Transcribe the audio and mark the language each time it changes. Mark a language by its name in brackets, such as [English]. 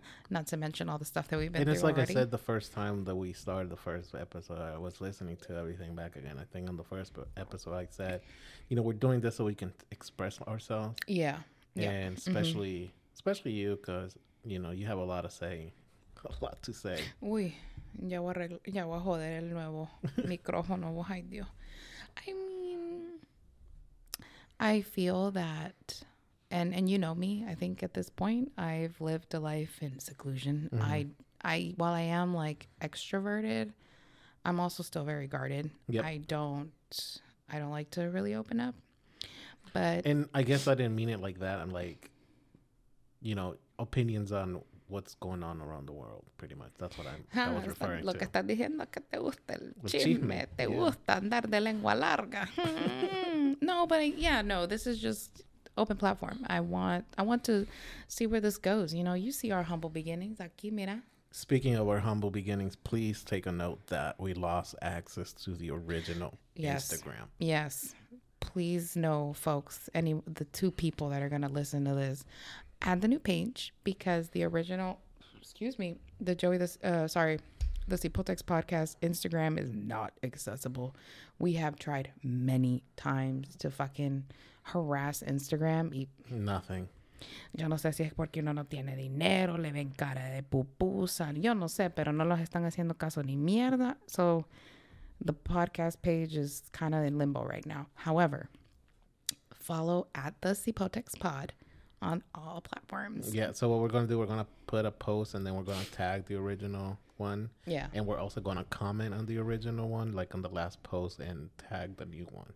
[English] Not to mention all the stuff that we've been through already. And it's like I said, the first time that we started the first episode, I was listening to everything back again. I think on the first episode, I said, you know, we're doing this so we can express ourselves. Yeah. And especially, especially you, because, you know, you have a lot to say. A lot to say. [Spanish] Uy, ya voy a joder el nuevo micrófono. Ay, Dios. [English] I mean, I feel that, and you know me, I think at this point, I've lived a life in seclusion. Mm-hmm. I while I am, like, extroverted, I'm also still very guarded. Yep. I don't like to really open up, but... And I guess I didn't mean it like that. I'm like, you know, opinions on what's going on around the world, pretty much. That's what I was referring to. [Spanish] Lo que estás diciendo es que te gusta el chisme. Te gusta andar de lengua larga. [English] No, but this is just open platform. I want to see where this goes. You know, you see our humble beginnings. [Spanish] Aquí, mira. [English] Speaking of our humble beginnings, please take a note that we lost access to the original Instagram. Yes. Please know, folks, the two people that are going to listen to this, add the new page, because the original, the Cipotex podcast Instagram is not accessible. We have tried many times to fucking harass Instagram. Nothing. [Spanish] Yo no sé si es porque uno no tiene dinero, le ven cara de pupusa, yo no sé, pero no los están haciendo caso ni mierda. [English] So, the podcast page is kind of in limbo right now. However, follow at the Cipotex Pod on all platforms. Yeah, so what we're going to do, we're going to put a post and then we're going to tag the original one. Yeah. And we're also going to comment on the original one, like on the last post, and tag the new one.